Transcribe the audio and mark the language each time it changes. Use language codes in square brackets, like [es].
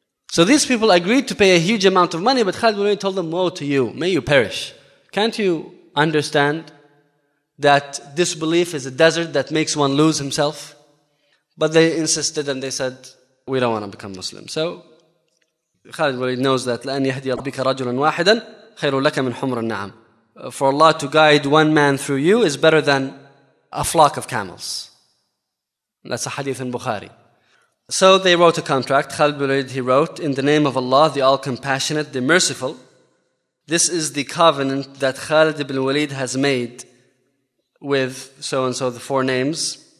[en] So these people agreed to pay a huge amount of money, but Khalid Walid told them, woe to you, may you perish. Can't you understand that disbelief is a desert that makes one lose himself? But they insisted and they said, we don't want to become Muslim. So Khalid Walid knows that, [ar] لَأَنْ يَهْدِيَ رَبِّكَ رَجُلًا وَاحِدًا خَيْرٌ لَكَ مِنْ حُمْرٍ نَعَمٍ. [en] For Allah to guide one man through you is better than a flock of camels. That's a hadith in Bukhari. So they wrote a contract. Khalid bin Walid, he wrote, in the name of Allah, the All-Compassionate, the Merciful, this is the covenant that Khalid ibn Walid has made with so-and-so, the four names.